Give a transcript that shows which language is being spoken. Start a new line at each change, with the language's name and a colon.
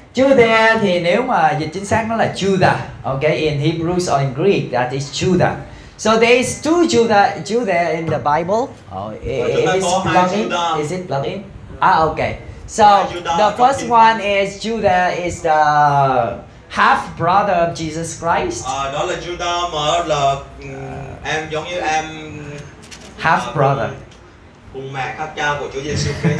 Vietnamese: Jude thì nếu mà dịch chính xác nó là Judah, okay.
English: In Hebrew or in Greek, that is Judah. So there is two Judah in the Bible. Oh, is it plugged in? Ah, okay. So the first one is Judah is the half brother of Jesus Christ.
Vietnamese: Đó là Judah mà là em giống như em
English: half brother.
Vietnamese: Cùng mẹ khác cha của Chúa Giêsu Christ.